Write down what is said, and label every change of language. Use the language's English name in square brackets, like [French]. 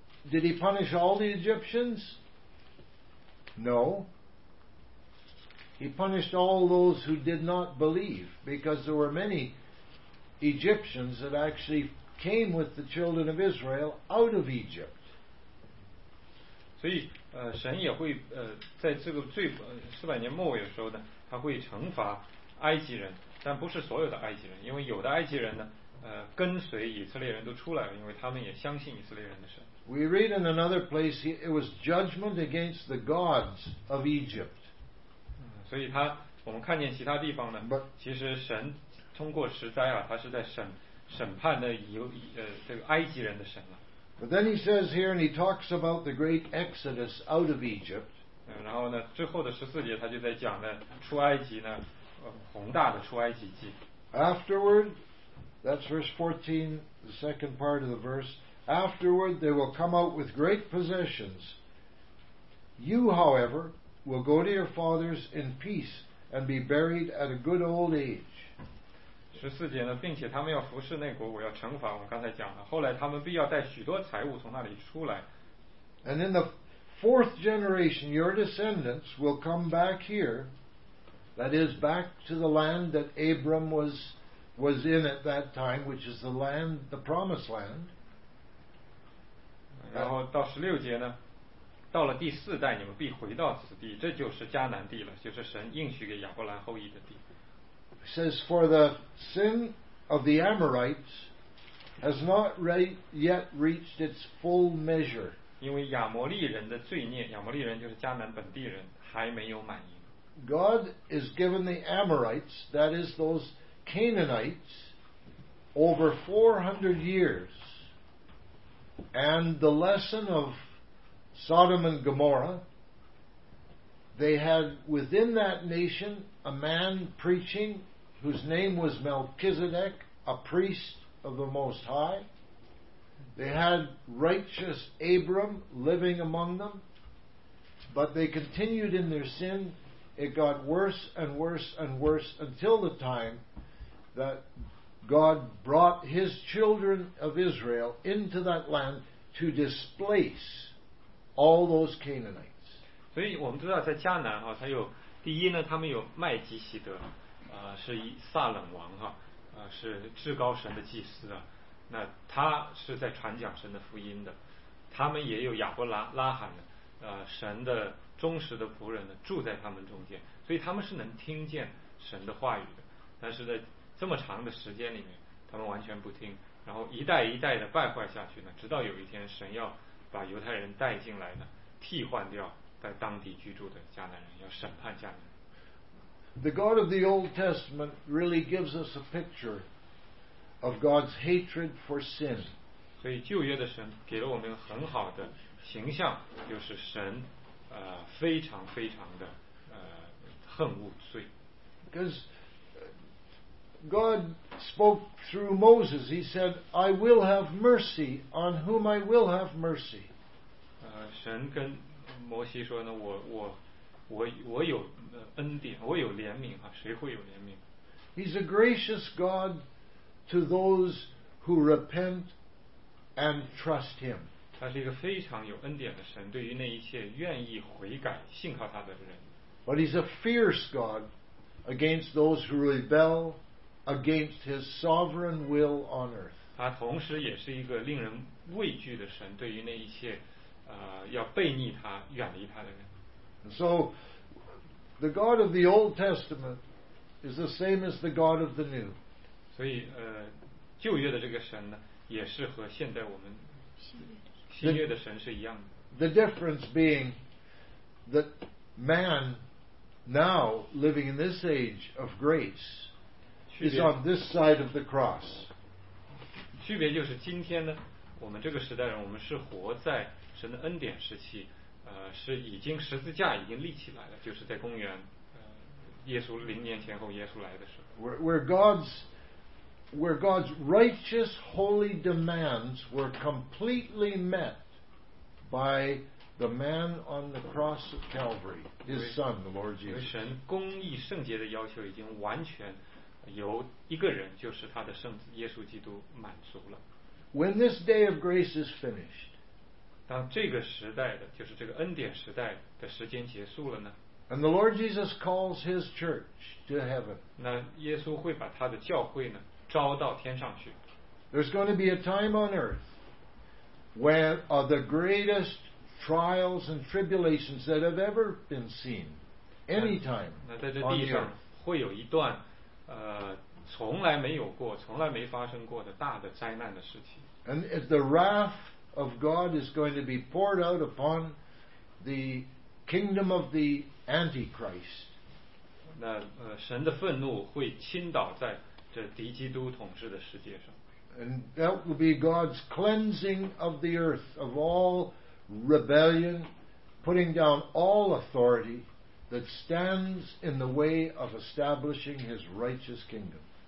[English] Did he punish all the Egyptians? No. He punished all those who did not believe, because there were many Egyptians that actually came with the children of Israel out of Egypt. So, [Chinese] 神也会在这个最400年末尾的时候呢，他会惩罚埃及人，但不是所有的埃及人，因为有的埃及人呢，跟随以色列人都出来了，因为他们也相信以色列人的神。 [English] We read in another place it was judgment against the gods of Egypt. [Chinese] 所以他我们看见其他地方呢，其实神通过十灾啊，他是在审判的这个埃及人的神了。 [English] But then he says here, and he talks about the great exodus out of Egypt. [Chinese] 然后呢，最后的十四节他就在讲了出埃及呢，宏大的出埃及记。 [English] Afterward, that's verse 14, the second part of the verse. Afterward, they will come out with great possessions. You, however, will go to your fathers in peace and be buried at a good old age. [Chinese] 十四节呢，并且他们要服侍那国，我要惩罚。我们刚才讲了，后来他们必要带许多财物从那里出来。 [English] And in the fourth generation, your descendants will come back here, that is back to the land that Abram was in at that time, which is the land, the promised land. [Chinese] 然后到十六节呢，到了第四代，你们必回到此地，这就是迦南地了，就是神应许给亚伯兰后裔的地。 [English] Says, for the sin of the Amorites has not yet reached its full measure. [Chinese] 因为亚摩利人的罪孽，亚摩利人就是迦南本地人，还没有满盈。 [English] God is given the Amorites, that is those Canaanites, over 400 years. And the lesson of Sodom and Gomorrah, they had within that nation a man preaching. Whose name was Melchizedek, a priest of the Most High. They had righteous Abram living among them, but they continued in their sin. It got worse and worse and worse until the time that God brought his children of Israel into that land to displace all those Canaanites. [Chinese] 所以我们知道在迦南啊，它有第一呢，他们有麦基洗德。是撒冷王哈、啊，是至高神的祭司啊。那他是在传讲神的福音的。他们也有亚伯拉罕的，神的忠实的仆人呢，住在他们中间，所以他们是能听见神的话语的。但是在这么长的时间里面，他们完全不听，然后一代一代的败坏下去呢，直到有一天神要把犹太人带进来呢，替换掉在当地居住的迦南人，要审判迦南人。 [English] The God of the Old Testament really gives us a picture of God's hatred for sin. [Chinese] 所以旧约的神给了我们很好的形象，就是神非常非常的恨恶罪。 [English] Because God spoke through Moses, He said, "I will have mercy on whom I will have mercy." [Chinese] 神跟摩西说呢，我有恩典，我有怜悯啊，谁会有怜悯？ [English] He's a gracious God to those who repent and trust Him. [Chinese] 他是一个非常有恩典的神，对于那一切愿意悔改、信靠他的人。 [English] But He's a fierce God against those who rebel against His sovereign will on earth. [Chinese] 他同时也是一个令人畏惧的神，对于那一切要背逆他、远离他的人。 [English] So, the God of the Old Testament is the same as the God of the New. [Chinese] 所以旧约的这个神呢，也是和现在我们新约的神是一样的。 [English] The difference being that man now living in this age of grace is on this side of the cross. [Chinese] 区别就是今天呢，我们这个时代人，我们是活在神的恩典时期。是已经十字架已经立起来了，就是在公元耶稣零年前后，耶稣来的时候。 [English] Where God's righteous holy demands were completely met by the man on the cross of Calvary, His Son, the Lord Jesus. [Chinese] 神公义圣洁的要求已经完全由一个人，就是他的圣子耶稣基督满足了。 [English] When this day of grace is finished. [Chinese] 当这个时代的，就是这个恩典时代的时间结束了呢 [English] ？And the Lord Jesus calls His church to heaven. [Chinese] 那耶稣会把他的教会呢招到天上去。 [English] There's going to be a time on earth where are the greatest trials and tribulations that have ever been seen, any time on earth. [Chinese] 那在这地上会有一段从来没有过、从来没发生过的大的灾难的事情。 [English] And if the wrath of God is going to be poured out upon the kingdom of the Antichrist. [Chinese] 那神的愤怒会倾倒在这敌基督统治的世界上。 [English] And that will be God's cleansing of the earth of all rebellion, putting down all authority that stands in the way of establishing His righteous kingdom.